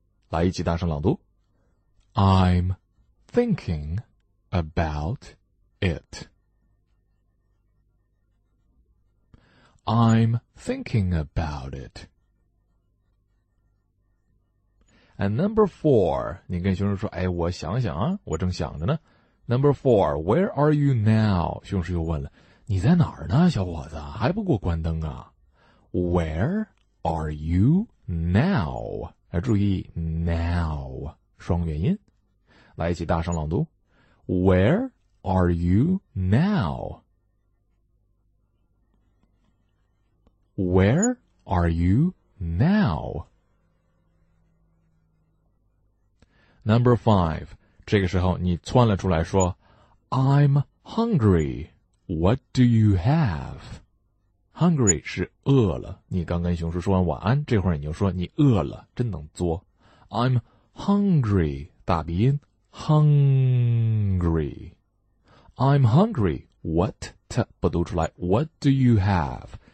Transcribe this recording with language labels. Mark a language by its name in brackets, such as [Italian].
[Chinese] 来，一起大声朗读。 [English] I'm thinking about it. I'm thinking about it. And number four, [Chinese] 你跟熊叔说，哎，我想想啊，我正想着呢。 [English] Number four, where are you now? [Chinese] 熊叔又问了，你在哪儿呢，小伙子，还不给我关灯啊？ [English] Where are you now? [Chinese] 来注意 [English] now, [Chinese] 双元音。来一起大声朗读。 [English] Where are you now? Where are you now? Number five, [Chinese] 这个时候你窜了出来说 [English] I'm hungry, what do you have? Hungry [Chinese] 是饿了，你刚跟熊叔说完晚安，这会儿你就说你饿了，真能作。 [English] I'm hungry, [Chinese] 大鼻音 [English] hungry. I'm hungry, what, t, [Chinese] 不读出来 [English] what do you have?